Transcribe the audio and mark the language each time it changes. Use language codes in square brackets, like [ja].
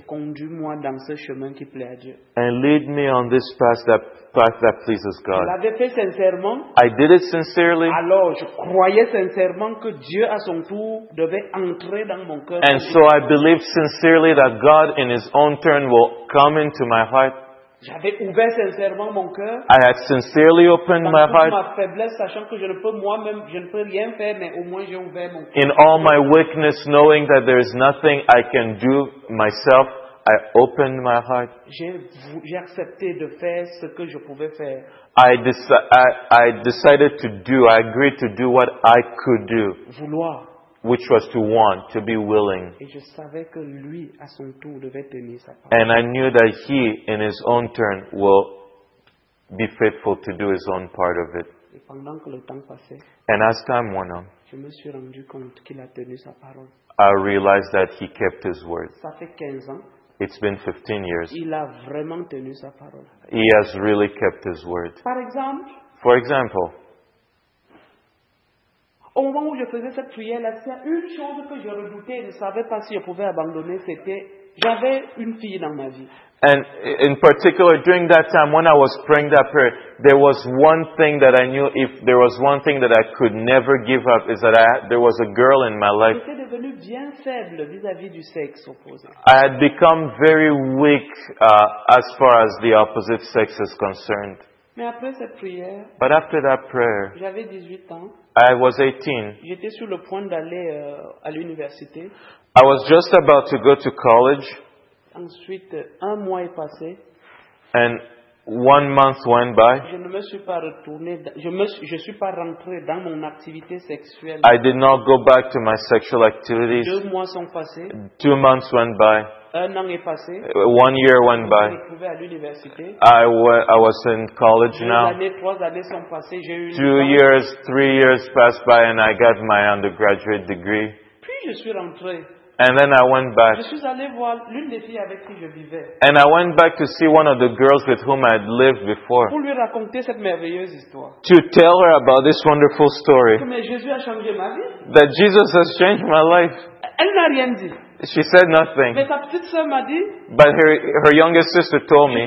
[fr] Conduis-moi dans ce chemin qui plaît à Dieu. [en] And lead me on this path that pleases God. [fr] Je l'avais fait sincèrement. [en] I did it sincerely. [fr] Alors je croyais sincèrement que Dieu à son tour devait entrer dans mon cœur. [en] And so I believed sincerely that God in his own turn will come into my heart. [fr] J'avais ouvert sincèrement mon cœur. [en] I had sincerely opened my heart. [fr] Dans toute ma faiblesse, sachant que je ne peux moi-même, je ne peux rien faire, mais au moins j'ai ouvert mon cœur. [en] In all my weakness, knowing that there is nothing I can do myself, I opened my heart. [fr] J'ai accepté de faire ce que je pouvais faire. [en] I agreed to do what I could do. [fr] Vouloir. [en] Which was to want, to be willing. [fr] Et je savais que lui, à son tour, devait tenir sa part. [en] And I knew that he, in his own turn, will be faithful to do his own part of it. [fr] Et pendant que le temps passait, [en] and as time went on, [fr] je me suis rendu compte qu'il a tenu sa parole. [en] I realized that he kept his word. [fr] Ça fait 15 ans. [en] It's been 15 years. [fr] Il a vraiment tenu sa parole. [en] He has really kept his word. [fr] Par exemple, [en] for example, [fr] Au moment où je faisais cette prière-là, c'est une chose que je redoutais, je ne savais pas si je pouvais abandonner, c'était, j'avais une fille dans ma vie. [en] And in particular, during that time, when I was praying that prayer, there was one thing that I knew, if there was one thing that I could never give up, is that there was a girl in my life. [fr] J'étais devenu bien faible vis-à-vis du sexe opposé. [en] I had become very weak as far as the opposite sex is concerned. [fr] Mais après cette prière, [en] but after that prayer, [fr] j'avais 18 ans. [en] I was 18. [fr] J'étais sur le point d'aller à l'université. [en] I was just about to go to college. [fr] Ensuite, un mois est passé. [en] And 1 month went by. [fr] Je ne me suis pas retourné. Je suis pas rentré dans mon activité sexuelle. [en] I did not go back to my sexual activities. [fr] 2 mois sont passés. [en] 2 months went by. [fr] Un an est passé. [en] 1 year went by. [fr] Je me suis retrouvé à l'université. [en] I was in college now. [fr] 3 années sont passées. J'ai eu [en] 3 years passed by and I got my undergraduate degree. [fr] Puis je suis rentré. [en] And then I went back. [fr] Je suis allé voir l'une des filles avec qui je vivais. [en] And I went back to see one of the girls with whom I had lived before. [fr] Pour lui raconter cette merveilleuse histoire. [en] To tell her about this wonderful story. [fr] Mais Jésus a changé ma vie. [en] That Jesus has changed my life. [fr] Elle n'a rien dit. [en] She said nothing. [fr] Mais ta petite sœur m'a dit. [en] But her youngest sister told me.